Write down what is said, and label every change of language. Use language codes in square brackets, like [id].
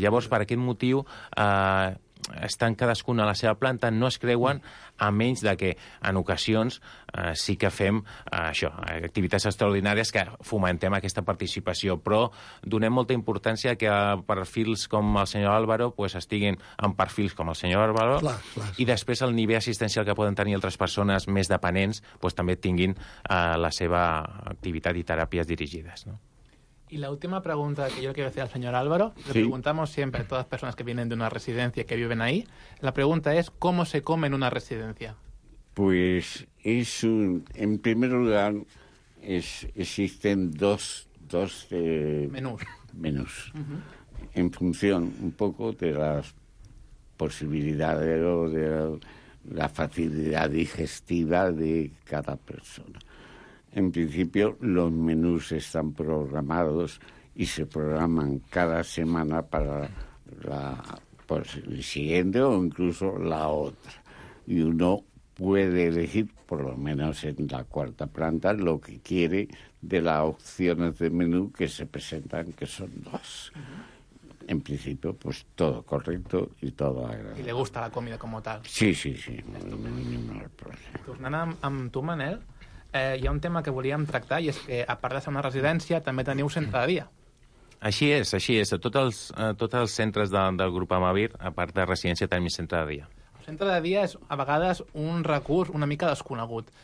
[ca] Llavors, per aquest motiu, estan cadascun a la seva planta, no es creuen, a menys de que en ocasions sí que fem això, activitats extraordinàries que fomentem aquesta participació, però donem molta importància que perfils com el senyor Álvaro pues, estiguin en perfils com el senyor Álvaro i després el nivell assistencial que poden tenir altres persones més dependents pues, també tinguin la seva activitat i teràpies dirigides, no? [es] Y la última pregunta que yo quiero hacer al señor Álvaro, le preguntamos siempre a todas las personas que vienen de una residencia que viven ahí, la pregunta es, ¿cómo se come en una residencia? Pues es un... En primer lugar, existen dos menús. Uh-huh. En función un poco de las posibilidades o de la facilidad digestiva de cada persona. En principio, los menús están programados y se programan cada semana para la siguiente o incluso la otra. Y uno puede elegir, por lo menos en la cuarta planta, lo que quiere de las opciones de menú que se presentan, que son dos. En principio, pues todo correcto y todo agradable. ¿Y le gusta la comida como tal? Sí, sí, sí. No hay problema. [ca] Tornant amb tu, Manel... hi ha un tema que volíem tractar i és que, a part de ser una residència, també teniu centre de dia. Així és. Tots els centres del grup Amavir, a part de residència, tenim centre de dia. El centre de dia és, a vegades, un recurs una mica desconegut.